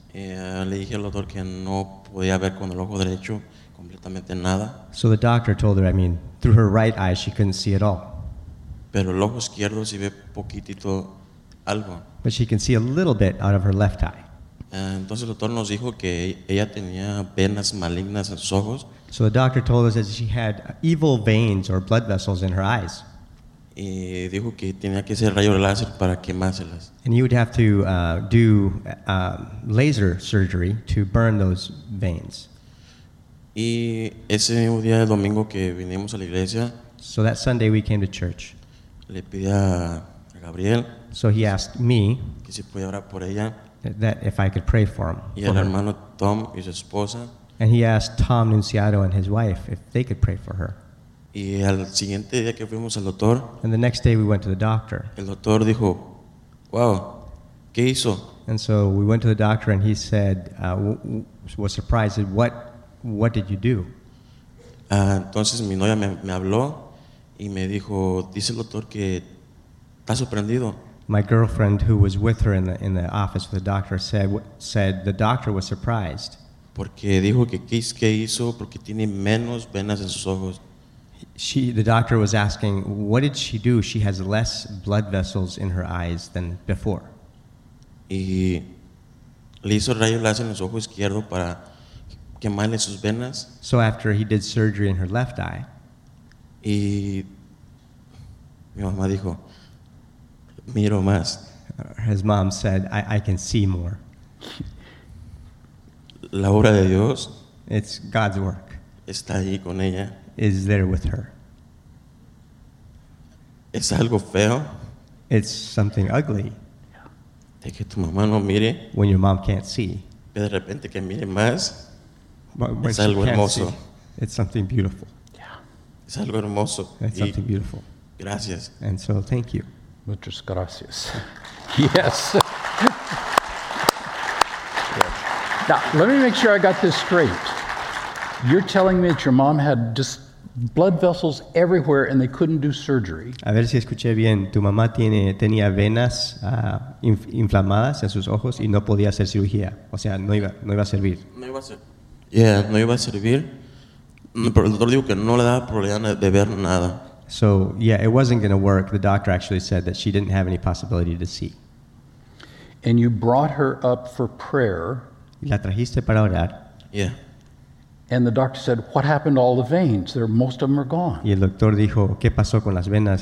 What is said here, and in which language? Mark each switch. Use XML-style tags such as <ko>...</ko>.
<es>Le dije al doctor que no podía ver con el ojo derecho completamente nada.</es> <en>So the doctor told her, through her right eye she couldn't see at all.</en> <es>Pero el ojo izquierdo sí ve poquitito algo.</es> <en>But she can see a little bit out of her left eye.</en> <es>Entonces el doctor nos dijo que ella tenía venas malignas en sus ojos.</es> <en>So the doctor told us that she had evil veins or blood vessels in her eyes.</en> <es>Y dijo que tenía que hacer rayos láser para quemárselas.</es> <en>And you would have to do laser surgery to burn those veins.</en> <es>Y ese mismo día de domingo que vinimos a la iglesia.</es> <en>So that Sunday we came to church.</en> <es>Le pedí a Gabriel.</es> <en>So he asked me</en> <es>que si podía orar por ella.</es> <en>That if I could pray for him.</en> <es>Y el hermano Tom y su esposa.</es> <en>And he asked Tom Nunciato and his wife if they could pray for her.</en> <es>Y al siguiente día que fuimos al doctor.</es> <en>And the next day we went to the doctor.</en> <es>El doctor dijo, wow, ¿qué hizo?</es> <en>And so we went to the doctor and he said, was surprised, what did you do?</en> <es>Entonces mi novia me habló y me dijo, dice el doctor que está sorprendido.</es> <en>My girlfriend, who was with her in the office with the doctor, said the doctor was surprised.</en> <es>Porque dijo que qué hizo porque tiene menos venas en sus ojos.</es> <en>The doctor was asking, what did she do? She has less blood vessels in her eyes than before.</en> <es>Y le hizo rayos láser en su ojo izquierdo para quemarle sus venas.</es> <en>So after he did surgery in her left eye.</en> <es>Y mi mamá dijo, miro más.</es> <en>His mom said, I can see more.</en> <es>La obra de Dios.</es> <en>It's God's work.</en> <es>Está ahí con ella.</es> <en>Is there with her.</en> <es>Es algo feo.</es> <en>It's something ugly.</en> <es>De que tu mamá no mire.</es> <en>When your mom can't see.</en> <es>De repente que mire más. Es algo hermoso.</es> <en>It's something beautiful. Yeah.</en> <es>Es algo hermoso.</es> <en>It's something beautiful.</en> <es>Gracias.</es> <en>And so thank you.</en> <es>Muchas gracias.</es> <en>Yes. Yes. Now, let me make sure I got this straight. You're telling me that your mom had just blood vessels everywhere and they couldn't do surgery.</en> <es>A ver si escuché bien. Tu mamá tenía venas inflamadas en sus ojos y no podía hacer cirugía. O sea, no iba a servir. No iba a servir. Pero el doctor dijo que no le daba problema de ver nada.</es> <en>So, yeah, it wasn't going to work. The doctor actually said that she didn't have any possibility to see. And you brought her up for prayer.</en> <es>La trajiste para orar.</es> <en>Yeah. And the doctor said, what happened to all the veins? Most of them are gone.</en> <es>Y el doctor dijo, ¿qué pasó con las venas?</es>